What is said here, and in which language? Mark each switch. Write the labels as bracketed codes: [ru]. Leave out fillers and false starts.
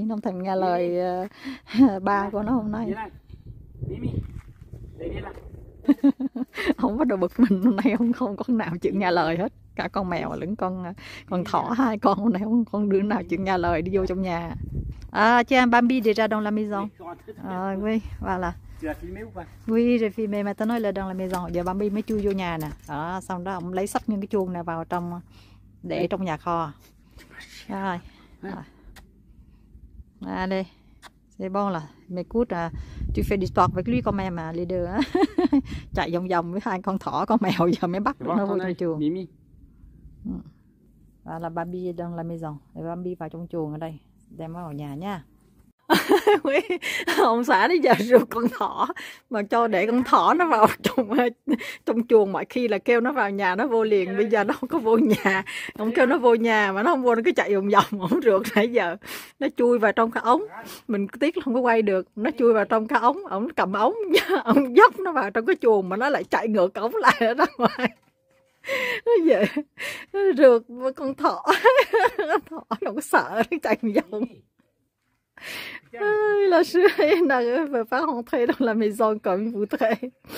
[vi] Nó không thèm nghe lời ba của nó hôm nay. Ông bắt đầu bực mình, hôm nay ông không con nào chịu nghe lời hết. Cả con mèo lẫn con thỏ hai con hôm nay không con đứa nào chịu nghe lời đi vô trong nhà. [fr] À, [vi] chị em Bambi đi ra [fr] dans la maison. À, oui, voilà. Oui, j'ai filmé, [vi] mà tôi nói là [fr] dans la maison. [vi] Giờ Bambi mới chui vô nhà nè. À, xong đó ông lấy sắp những cái chuông này vào trong, để trong nhà kho. Rồi. À, đây. [fr] C'est bon là, m'écoute, tu fais du sport avec lui quand même, les deux. [vi] Chạy vòng vòng với hai con thỏ, con mèo giờ mới bắt nó vô trong chuồng. Mimi. [fr] Là Bambi dans la maison. [vi] Bambi vào trong chuồng ở đây, đem nó vào nhà nha. Ông xã nó giờ rượu con thỏ, mà cho để con thỏ nó vào trong chuồng, mọi khi là kêu nó vào nhà nó vô liền, bây giờ nó không có vô nhà. Ông kêu nó vô nhà mà nó không vô, nó cứ chạy vòng vòng, ông rượt nãy giờ. Nó chui vào trong cái ống, mình tiếc không có quay được, nó chui vào trong cái ống, ông cầm ống, ông dốc nó vào trong cái chuồng mà nó lại chạy ngược ống lại ở ra ngoài. Nó về rượt con thỏ, thỏ nó sợ, nó chạy vòng. [fr] Ah, la chérie, elle n'arrive pas à rentrer dans la maison comme il voudrait.